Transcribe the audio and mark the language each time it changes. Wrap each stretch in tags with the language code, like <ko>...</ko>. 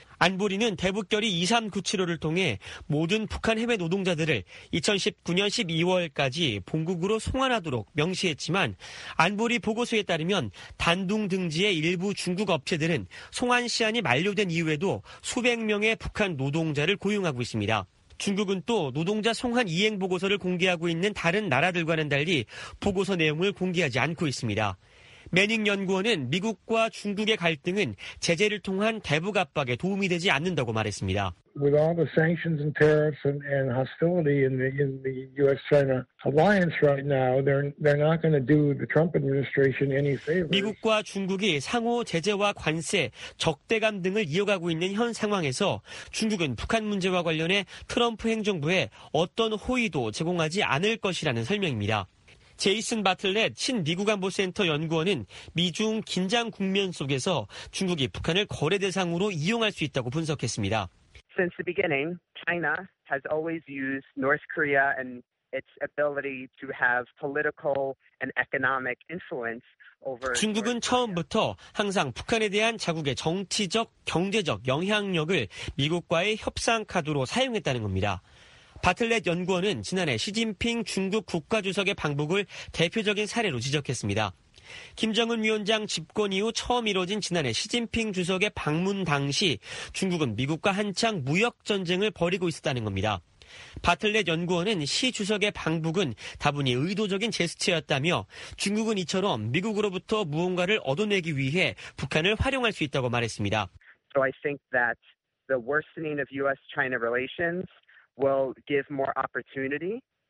<ko>안보리는 대북결의 2397호를 통해 모든 북한 해외 노동자들을 2019년 12월까지 본국으로 송환하도록 명시했지만 안보리 보고서에 따르면 단둥 등지의 일부 중국 업체들은 송환 시한이 만료된 이후에도 수백 명의 북한 노동자를 고용하고 있습니다. 중국은 또 노동자 송환 이행 보고서를 공개하고 있는 다른 나라들과는 달리 보고서 내용을 공개하지 않고 있습니다. 매닝 연구원은 미국과 중국의 갈등은 제재를 통한 대북 압박에 도움이 되지 않는다고 말했습니다.</ko> <en>With all the sanctions and tariffs and hostility in the U.S.-China alliance right now, they're not going to do the Trump administration any favors.</en> <ko>미국과 중국이 상호 제재와 관세, 적대감 등을 이어가고 있는 현 상황에서 중국은 북한 문제와 관련해 트럼프 행정부에 어떤 호의도 제공하지 않을 것이라는 설명입니다. 제이슨 바틀렛 신미국 안보센터 연구원은 미중 긴장 국면 속에서 중국이 북한을 거래 대상으로 이용할 수 있다고 분석했습니다.</ko> <en>Since the beginning, China has always used North Korea and its ability to have political and economic influence.</en> <ko>중국은 처음부터 항상 북한에 대한 자국의 정치적, 경제적 영향력을 미국과의 협상 카드로 사용했다는 겁니다. 바틀렛 연구원은 지난해 시진핑 중국 국가주석의 방북을 대표적인 사례로 지적했습니다. 김정은 위원장 집권 이후 처음 이뤄진 지난해 시진핑 주석의 방문 당시 중국은 미국과 한창 무역 전쟁을 벌이고 있었다는 겁니다. 바틀렛 연구원은 시 주석의 방북은 다분히 의도적인 제스처였다며 중국은 이처럼 미국으로부터 무언가를 얻어내기 위해 북한을 활용할 수 있다고 말했습니다.</ko> <en>So I think that the worsening of U.S.-China relations will give more opportunity.</en>